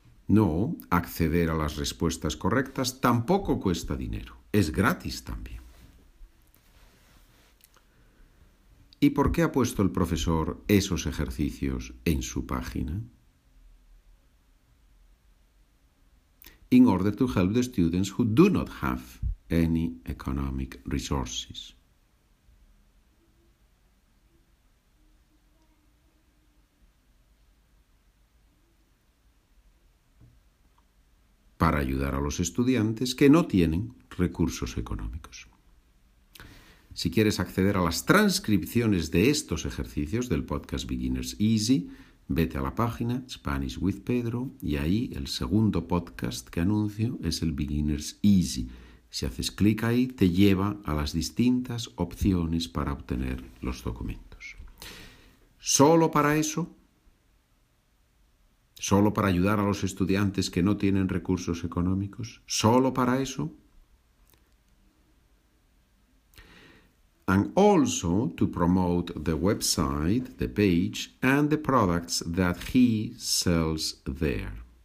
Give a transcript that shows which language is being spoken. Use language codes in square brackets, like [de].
[es] No, acceder a las respuestas correctas tampoco cuesta dinero. Es gratis también. ¿Y por qué ha puesto el profesor esos ejercicios en su página? [en] In order to help the students who do not have any economic resources. [es] Para ayudar a los estudiantes que no tienen recursos económicos. Si quieres acceder a las transcripciones de estos ejercicios del podcast Beginners Easy, vete a la página Spanish with Pedro y ahí el segundo podcast que anuncio es el Beginners Easy. Si haces clic ahí, te lleva a las distintas opciones para obtener los documentos. Solo para eso. ¿Solo para ayudar a los estudiantes que no tienen recursos económicos? ¿Solo para eso? [en] And also to promote the website, the page, and the products that he sells there.